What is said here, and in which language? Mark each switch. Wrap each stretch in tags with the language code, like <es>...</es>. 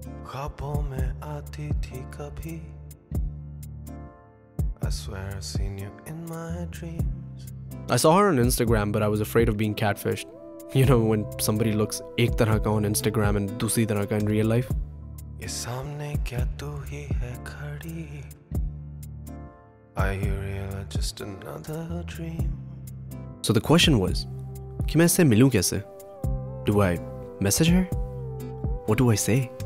<en>I swear I've seen you in my dreams. I saw her on Instagram, but I was afraid of being catfished. You know, when somebody looks</en> <hi>ek tarah ka</hi> <en>on Instagram and</en> <hi>dusri tarah ka</hi> <en>in real life.</en> <hi>सामने क्या तू ही है खड़ी?</hi> <en>Are you real or just another dream? So the question was,</en> <hi>कि मैं इससे मिलूं कैसे?</hi> <en>Do I message her? What do I say?</en>